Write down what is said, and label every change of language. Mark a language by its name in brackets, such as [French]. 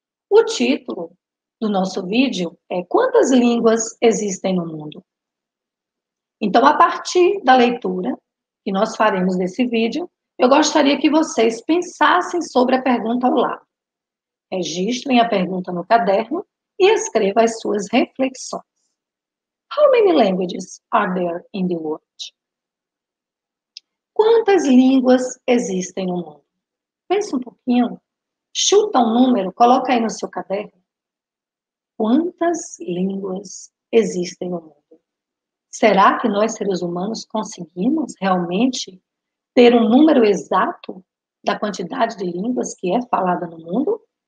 [Portuguese] O título do nosso vídeo é Quantas Línguas Existem no Mundo? Então, a partir da leitura que nós faremos desse vídeo, eu gostaria que vocês pensassem sobre a pergunta ao lado. Registrem a pergunta no caderno e escreva as suas reflexões. [English] How many languages are there in the world? [Portuguese] Quantas línguas existem no mundo? Pensa um pouquinho. Chuta um número, coloca aí no seu caderno. Quantas línguas existem no mundo? Será que nós, seres humanos, conseguimos realmente ter um número exato da quantidade de línguas que é falada no mundo?